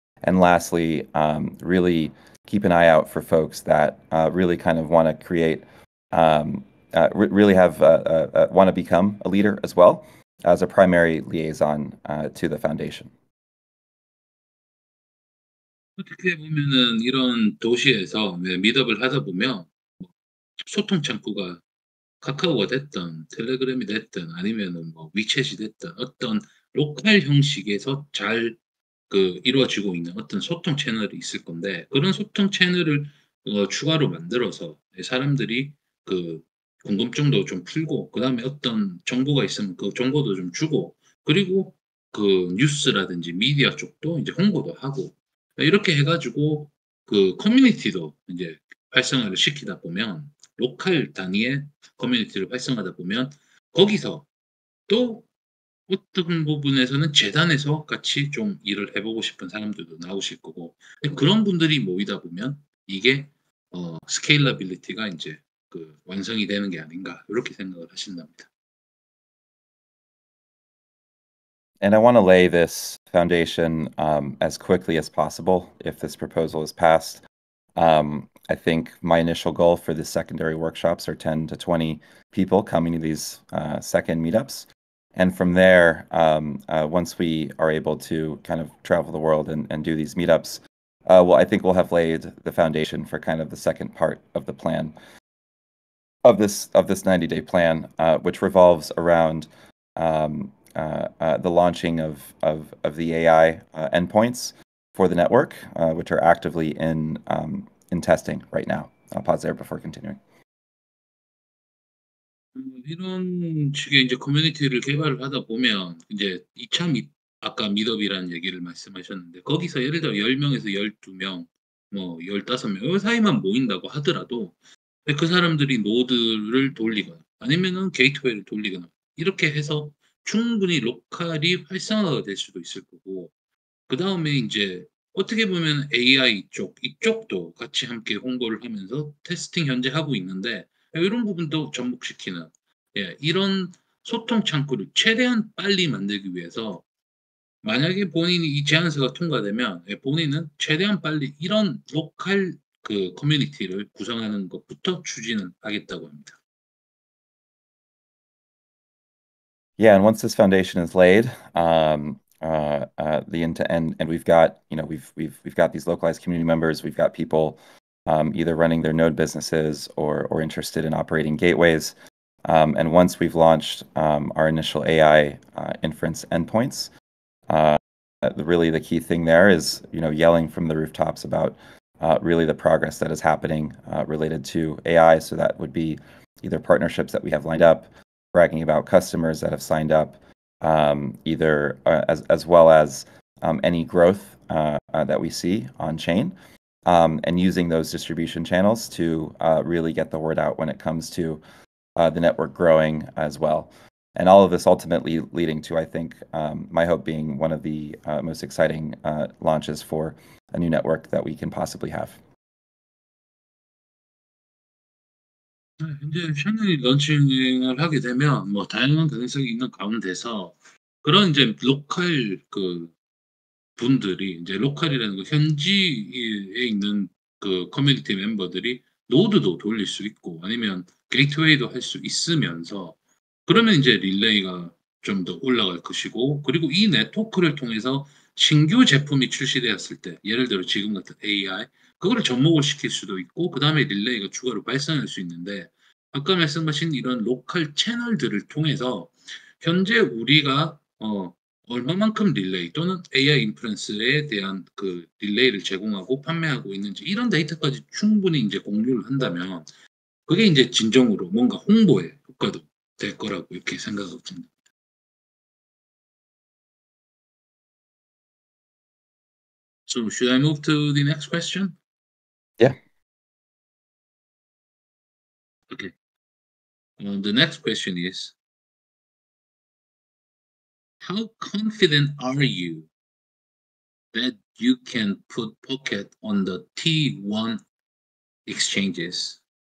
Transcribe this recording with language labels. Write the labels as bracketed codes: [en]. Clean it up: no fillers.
[en] And lastly, really keep an eye out for folks that really kind of want to create, really have, want to become a leader as well as a primary liaison to the foundation. [ko] 어떻게 보면은 이런 도시에서 미드업을 하다 보면 소통 창구가 카카오가 됐든 텔레그램이 됐든 아니면 뭐 위챗이 됐든 어떤 로컬 형식에서 잘 그 이루어지고 있는 어떤 소통 채널이 있을 건데 그런 소통 채널을 추가로 만들어서 사람들이 그 궁금증도 좀 풀고 그 다음에 어떤 정보가 있으면 그 정보도 좀 주고 그리고 그 뉴스라든지 미디어 쪽도 이제 홍보도 하고 이렇게 해가지고 그 커뮤니티도 이제 활성화를 시키다 보면 로컬 단위의 커뮤니티를 활성화하다 보면 거기서 또 어떤 부분에서는 재단에서 같이 좀 일을 해보고 싶은 사람들도 나오실 거고 그런 분들이 모이다 보면 이게 스케일러빌리티가 이제 그 완성이 되는 게 아닌가 이렇게 생각을 하신답니다. [en] And I want to lay this foundation as quickly as possible if this proposal is passed. I think my initial goal for the secondary workshops are 10 to 20 people coming to these second meetups. And from there, once we are able to kind of travel the world and do these meetups, well, I think we'll have laid the foundation for kind of the second part of the plan of this 90-day plan, which revolves around the launching of the AI endpoints for the network, which are actively in testing right now. I'll pause there before continuing. [ko] 이런 식의 이제 커뮤니티를 개발을 하다 보면 이제 2차 아까 미드업이라는 얘기를 말씀하셨는데 거기서 예를 들어 10명에서 12명 뭐 15명 이 사이만 모인다고 하더라도 그 사람들이 노드를 돌리거나 아니면은 게이트웨이를 돌리거나 이렇게 해서 충분히 로컬이 활성화가 될 수도 있을 거고 그 다음에 이제 어떻게 보면 AI 쪽 이쪽도 같이 함께 홍보를 하면서 테스팅 현재 하고 있는데 이런 부분도 접목시키는 예, 이런 소통 창구를 최대한 빨리 만들기 위해서 만약에 본인이 이 제안서가 통과되면 예, 본인은 최대한 빨리 이런 로컬 그 커뮤니티를 구성하는 것부터 추진을 하겠다고 합니다. [en] Yeah, and once this foundation is laid, the and we've got, you know, we've got these localized community members, we've got people either running their node businesses or interested in operating gateways. And once we've launched our initial AI inference endpoints, really the key thing there is, you know, yelling from the rooftops about really the progress that is happening related to AI. So that would be either partnerships that we have lined up, bragging about customers that have signed up, either as well as any growth that we see on chain. And using those distribution channels to really get the word out when it comes to the network growing as well. And all of this ultimately leading to, I think, my hope being one of the most exciting launches for a new network that we can possibly have. [ko] 이제 샤넬이 런칭을 하게 되면 뭐 다양한 가능성이 있는 가운데서 그런 이제 로컬 그 분들이 이제 로컬이라는 거 현지에 있는 그 커뮤니티 멤버들이 노드도 돌릴 수 있고 아니면 게이트웨이도 할 수 있으면서 그러면 이제 릴레이가 좀 더 올라갈 것이고 그리고 이 네트워크를 통해서 신규 제품이 출시되었을 때 예를 들어 지금 같은 AI 그거를 접목을 시킬 수도 있고 그 다음에 릴레이가 추가로 발생할 수 있는데 아까 말씀하신 이런 로컬 채널들을 통해서 현재 우리가 얼마만큼 릴레이 또는 AI 인프런스에 대한 그 릴레이를 제공하고 판매하고 있는지 이런 데이터까지 충분히 이제 공유를 한다면 그게 이제 진정으로 뭔가 홍보의 효과도 될 거라고 이렇게 생각하고 있습니다. [en] So should I move to the next question? Yeah. Okay. The next question is, how confident are you that you can put Pocket on the T1 exchanges?